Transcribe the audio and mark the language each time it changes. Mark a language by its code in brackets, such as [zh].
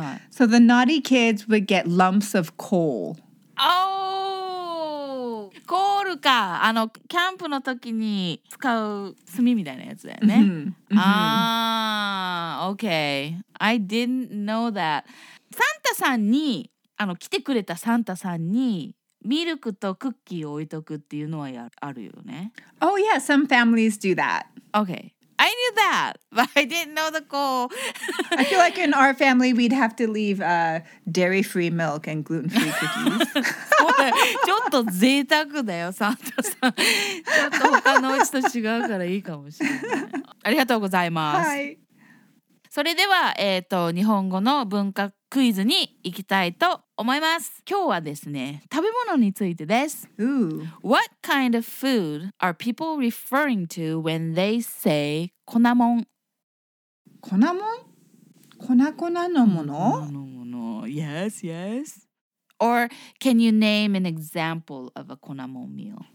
[en] So the naughty kids would get lumps of coal. Oh! Coal か! [ja] あの、キャンプの時に使う炭みたいなやつだよね。 [en] Mm-hmm. Mm-hmm. Ah, okay. I didn't know that. [ja] サンタさんに、あの、来てくれたサンタさんにミルクとクッキーを置いとくっていうのはあるよね。 [en] Oh yeah, some families do that. Okay. I knew that, but I didn't know the goal. I feel like in our family, we'd have to leave dairy-free milk and gluten-free cookies. [ja] ちょっと贅沢だよ、サンタさん。ちょっと他のうちと違うからいいかもしれない。ありがとうございます。はい。それでは、日本語の文化クイズに行きたいと思います。今日はですね、食べ物についてです。 Ooh. [en] What kind of food are people referring to when they say 粉もん? [ja] 粉もん?粉粉のもの? 粉のもの。 [en] Yes, yes. Or can you name an example of a 粉もん meal?